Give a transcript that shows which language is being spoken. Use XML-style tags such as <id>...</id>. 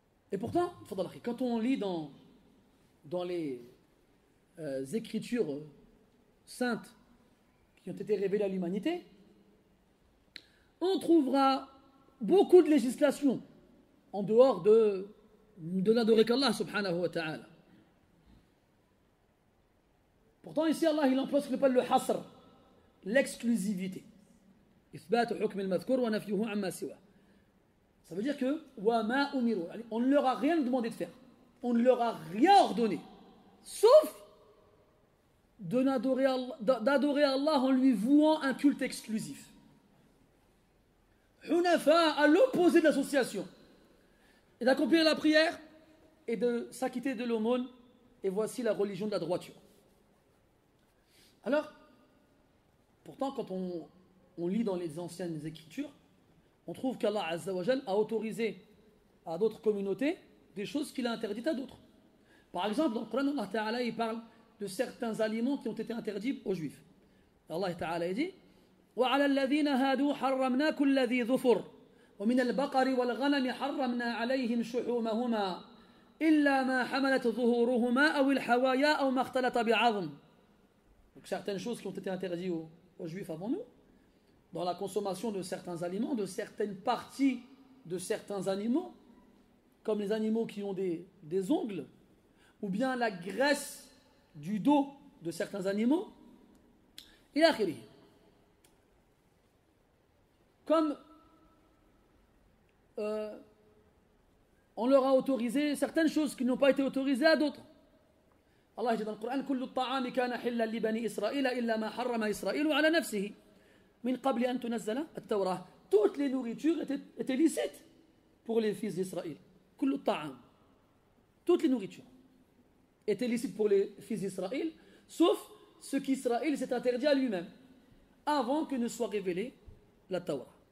<fr>Et pourtant, quand on lit dans les écritures saintes qui ont été révélées à l'humanité, on trouvera beaucoup de législations en dehors de n'adorer qu'Allah subhanahu wa ta'ala. Pourtant ici Allah il emploie ce qu'il appelle le hasr, l'exclusivité.</fr> <ar>إثبات حكم المذكور ونفيه عما سواه.</ar> <fr>Ça veut dire que</fr> <ar>وما أمروا,</ar> <fr>on ne leur a rien demandé de faire, on ne leur a rien ordonné sauf d'adorer Allah en lui vouant un culte exclusif. Hunafa, à l'opposé de l'association, et d'accomplir la prière et de s'acquitter de l'aumône, et voici la religion de la droiture. Alors, pourtant, quand on lit dans les anciennes écritures, on trouve qu'Allah Azza wa Jal a autorisé à d'autres communautés des choses qu'il a interdites à d'autres. Par exemple, dans le Coran, Allah Ta'ala, il parle de certains aliments qui ont été interdits aux Juifs. Allah Ta'ala a dit</fr> <ar>وعلى الذين هادوا حرمنا كل ذي ظفر ومن البقر والغنم حرمنا عليهم شحومهما إلا ما حملت ظهورهما أو الحوايا أو ما اختلط بعظم.</ar> <fr>Donc certaines choses qui ont été interdites aux juifs avant nous, dans la consommation de certains aliments, de certaines parties de certains animaux, comme les animaux qui ont des ongles, ou bien la graisse du dos de certains animaux, et l'akhiri. Comme on leur a autorisé certaines choses qui n'ont pas été autorisées à d'autres. Allah dit dans le Coran,</fr> <ar>كل الطعام كان حلا لبني إسرائيل إلا ما حرم إسرائيل على نفسه من قبل أن تنزل التوراة.</ar> <fr>Toutes les nourritures étaient licites pour les fils d'Israël.</fr> <ar>كل الطعام.</ar> <fr>Toutes les nourritures étaient licites pour les fils d'Israël, sauf ce qu'Israël s'est interdit à lui-même avant que ne soit révélée la Torah.</fr>